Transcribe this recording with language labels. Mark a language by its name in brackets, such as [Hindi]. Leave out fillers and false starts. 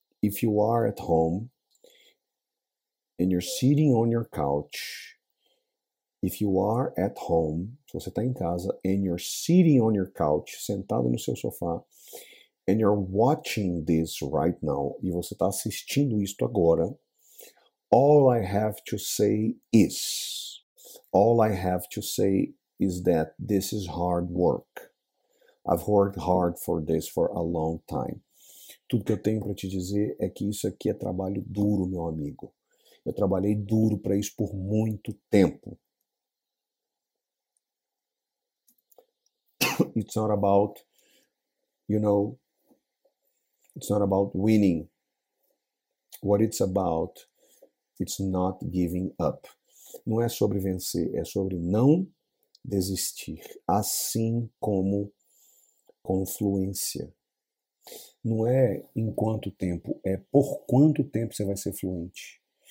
[English] If you are at home and you're sitting on your couch, if you are at home, [Portuguese] se você está em casa, [English] and you're sitting on your couch, [Portuguese] sentado no seu sofá, [English] and you're watching this right now, [Portuguese] e você está assistindo isto agora, [English] all I have to say is, all I have to say is that this is hard work. I've worked hard for this for a long time. [Portuguese] Tudo que eu tenho para te dizer é que isso aqui é trabalho duro, meu amigo. Eu trabalhei duro para isso por muito tempo. [English] It's not about, you know, it's not about winning. What it's about, it's not giving up. [Portuguese] Não é sobre vencer, é sobre não desistir. Assim como confluência. Não é em quanto tempo, é por quanto tempo você vai ser fluente.